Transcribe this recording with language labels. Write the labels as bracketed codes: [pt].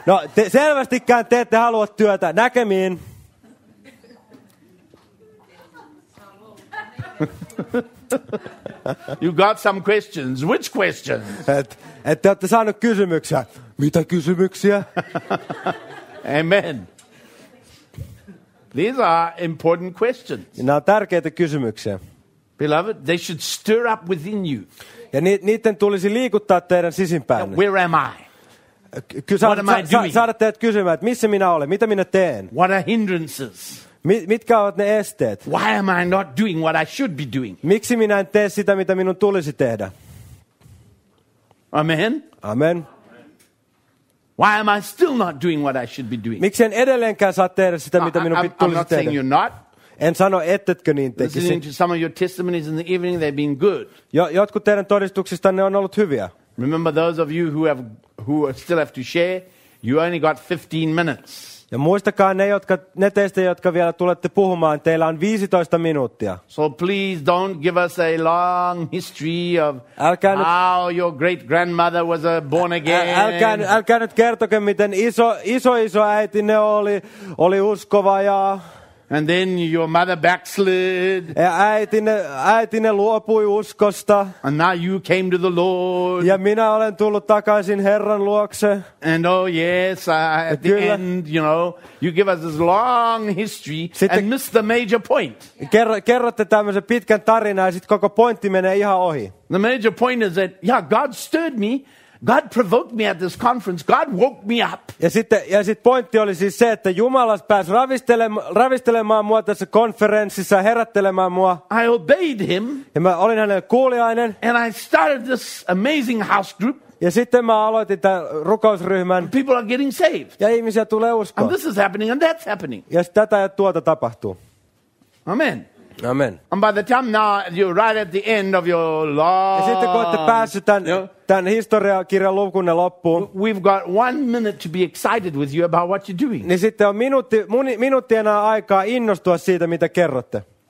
[fi] No, selvästikään te ette halua työtä. Näkemiin. [en] You got some questions. Which questions? [fi] Ette olette saaneet kysymyksiä. Mitä kysymyksiä? [en] Amen. These are important questions. [fi] Nämä on tärkeitä kysymyksiä. [en] Beloved, they should stir up within you. [fi] Ja niitten tulisi liikuttaa teidän sisimpään. [en] Where am I? What am I doing? [fi] Saada teidät kysymään, että missä minä olen, mitä minä teen? [en] What are hindrances? [fi] Mitkä ovat ne esteet? [en] Why am I not doing what I should be doing? [fi] Miksi minä en tee sitä, mitä minun tulisi tehdä? [en] Amen. Amen. Why am I still not doing what I should be doing? [fi] Miksi en edelleenkään saa tehdä sitä, mitä minun tulisi tehdä? [en] I'm not saying you're not. [fi] En sano, ettetkö niin tekisi. [en] Listening to some of your testimonies in the evening, they've been good. [fi] Jotkut teidän todistuksista ne on ollut hyviä. [en] Remember those of you who still have to share, you only got 15 minutes. [fi] Ja muistakaa ne teistä, jotka vielä tulette puhumaan, teillä on 15 minuuttia. [en] So please don't give us a long history of how your great grandmother was born again. [fi] Älkää nyt kertoke, miten iso äitinne oli uskova ja... [en] And then your mother backslid. [fi] Ja äitine luopui uskosta. [en] And now you came to the Lord. [fi] Ja minä olen tullut takaisin Herran luokse. [en] And oh yes, at [fi] kyllä. [en] The end, you know, you give us this long history [fi] sitten [en] and miss the major point. [fi] Kerrotte tämmöisen pitkän tarinan ja sitten koko pointti menee ihan ohi. [en] The major point is that, yeah, God stirred me. God provoked me at this conference. God woke me up. [fi] Ja sit pointti oli siis se, että Jumala pääsi ravistelemaan mua tässä konferenssissa, herättelemään mua. [en] I obeyed him. [fi] Ja mä olin hänelle kuuliainen. [en] And I started this amazing house group. [fi] Ja sitten mä aloitin tämän rukousryhmän. [en] People are getting saved. [fi] Ja ihmisiä tulee uskoon. [en] And this is happening and that's happening. [fi] Ja tätä ja tuota tapahtuu. [en] Amen. Amen. And by the time now you're right at the end of your long... [fi] Ja sitten kun olette päässeet tämän historiakirjan lukunne loppuun... [en] We've got 1 minute to be excited with you about what you're doing. [fi] Niin sitten on minuutti enää aikaa innostua siitä, mitä kerrotte.